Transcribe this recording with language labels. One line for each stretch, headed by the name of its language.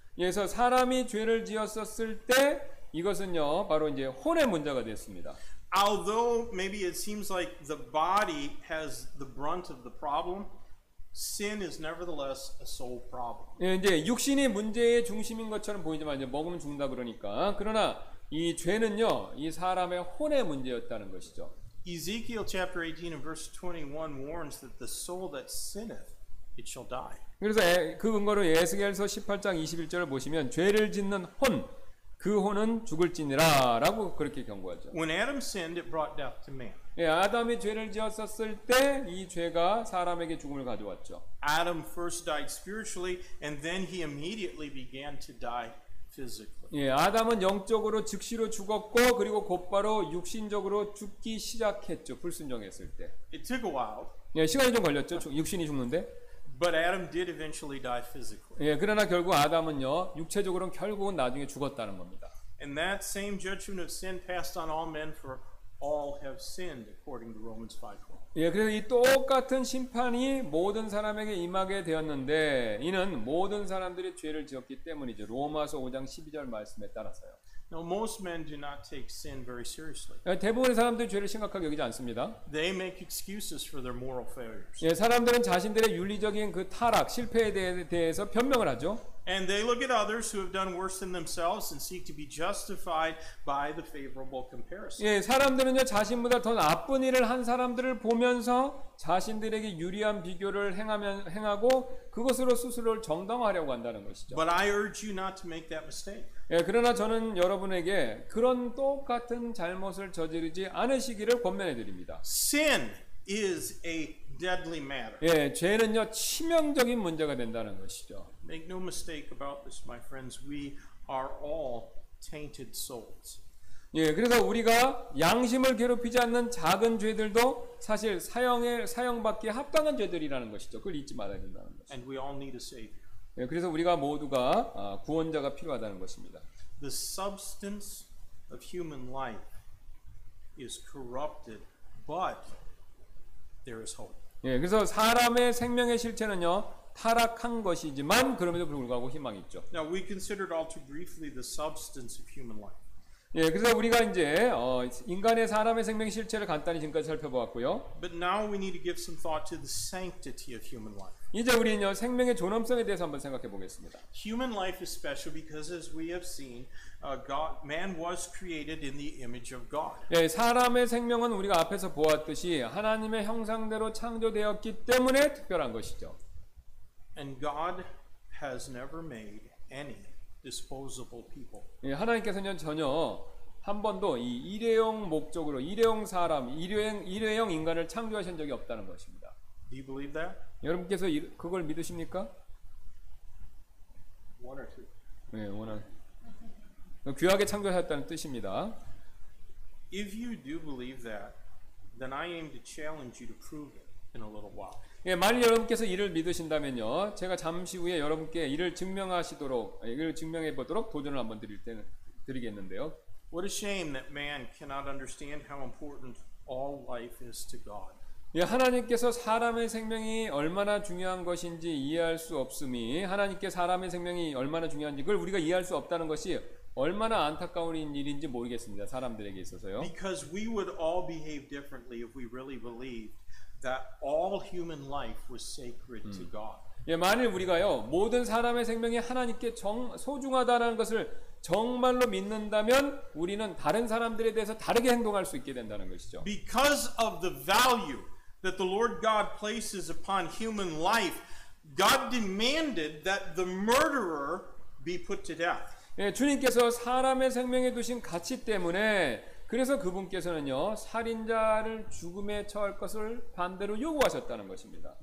Korean: 그래서 사람이 죄를 지었었을 때 이것은요 바로 이제 혼의 문제가 됐습니다.
English: Although maybe it seems like the body has the brunt of the problem, sin is nevertheless a soul problem.
Korean: 예, 이제 육신이 문제의 중심인 것처럼 보이지만 이제 먹으면 죽는다 그러니까 그러나 이 죄는요 이 사람의 혼의 문제였다는 것이죠.
English: Ezekiel chapter 18 and verse 21 warns that the soul that sinneth it shall die.
Korean: 그래서 그 근거로 예수결서 18장 21절을 보시면 죄를 짓는 혼, 그 혼은 죽을지니라 라고 그렇게 경고하죠.
English: When Adam sinned, it brought death to man.
Korean: 예, 아담이 죄를 지었었을 때 이 죄가 사람에게 죽음을 가져왔죠.
English: Adam first died spiritually and then he immediately began to die physically.
Korean: 예, 아담은 영적으로 즉시로 죽었고 그리고 곧바로 육신적으로 죽기 시작했죠. 불순종했을 때.
English: It took a while.
Korean: 예, 시간이 좀 걸렸죠. 육신이 죽는데.
English: But Adam did eventually die physically.
Korean: 예, 그러나 결국 아담은요 육체적으로는 결국은 나중에 죽었다는 겁니다.
English: And that same judgment of sin passed on all men for all have sinned according to Romans 5:12.
Korean: 예, 그래서 이 똑같은 심판이 모든 사람에게 임하게 되었는데 이는 모든 사람들이 죄를 지었기 때문이죠. 로마서 5장 12절 말씀에 따라서요.
English: Now most men do not take sin very seriously.
Korean: 대부분의 사람들이 죄를 심각하게 여기지 않습니다.
English: They make excuses for their moral failures.
Korean: 예, 사람들은 자신들의 윤리적인 그 타락, 실패에 대해서 변명을 하죠.
English: And they look at others who have done worse than themselves and seek to be justified by the favorable comparison.
Korean: 예, 사람들은요 자신보다 더 나쁜 일을 한 사람들을 보면서 자신들에게 유리한 비교를 행하고 그것으로 스스로를 정당화하려고 한다는 것이죠.
English: But I urge you not to make that mistake.
Korean: 예, 그러나 저는 여러분에게 그런 똑같은 잘못을 저지르지 않으시기를 권면해 드립니다.
English: Sin is a deadly matter.
Korean: 예, 죄는요 치명적인 문제가 된다는 것이죠.
English: Make no mistake about this, my friends. We are all tainted souls.
Korean: 예, 그래서 우리가 양심을 괴롭히지 않는 작은 죄들도 사실 사형받기에 합당한 죄들이라는 것이죠. 그걸 잊지 말아야 된다는 것이죠.
English: And we all need a savior.
Korean: 예, 그래서 우리가 모두가 구원자가 필요하다는 것입니다.
English: The substance of human life is corrupted, but there is hope.
Korean: 예, 그래서 사람의 생명의 실체는요 타락한 것이지만 그럼에도 불구하고 희망이 있죠.
English: Now we considered all too briefly the substance of human life.
Korean: 예, 그래서 우리가 이제 인간의 사람의 생명 실체를 간단히 지금까지 살펴보았고요.
English: But now we need to give some thought to the sanctity of human life.
Korean: 이제 우리는요 생명의 존엄성에 대해서 한번 생각해 보겠습니다.
English: Human life is special because, as we have seen, God, man was created in the image of God.
Korean: 예, 사람의 생명은 우리가 앞에서 보았듯이 하나님의 형상대로 창조되었기 때문에 특별한 것이죠.
English: And God has never made any disposable people.
Korean: 예, 하나님께서는 전혀 한 번도 이 일회용 목적으로 일회용 사람, 일회용 인간을 창조하신 적이 없다는 것입니다.
English: Do you believe that?
Korean: 여러분께서 그걸 믿으십니까?
English: One or two. 네, one or two.
Korean: 귀하게 창조하셨다는 뜻입니다.
English: If you do believe that, then I aim to challenge you to prove it in a little while.
Korean: 예, 만일 여러분께서 이를 믿으신다면요, 제가 잠시 후에 여러분께 이를 증명하시도록, 이를 증명해 보도록 도전을 한번 드리겠는데요.
English: What a shame that man cannot understand how important all life is to God.
Korean: 예, 하나님께서 사람의 생명이 얼마나 중요한 것인지 이해할 수 없음이, 하나님께 사람의 생명이 얼마나 중요한지 그걸 우리가 이해할 수 없다는 것이 얼마나 안타까운 일인지 모르겠습니다. 사람들에게 있어서요.
English: Because we would all behave differently if we really believed that all human life was sacred to God.
Korean: 예, 만일 우리가요 모든 사람의 생명이 하나님께 정 소중하다는 것을 정말로 믿는다면 우리는 다른 사람들에 대해서 다르게 행동할 수 있게 된다는 것이죠.
English: Because of the value that the Lord God places upon human life, God demanded that the murderer be put to death.
Korean: 예, 주님께서 사람의 생명에 두신 가치 때문에 그래서 그분께서는요 살인자를 죽음에 처할 것을 반대로 요구하셨다는 것입니다.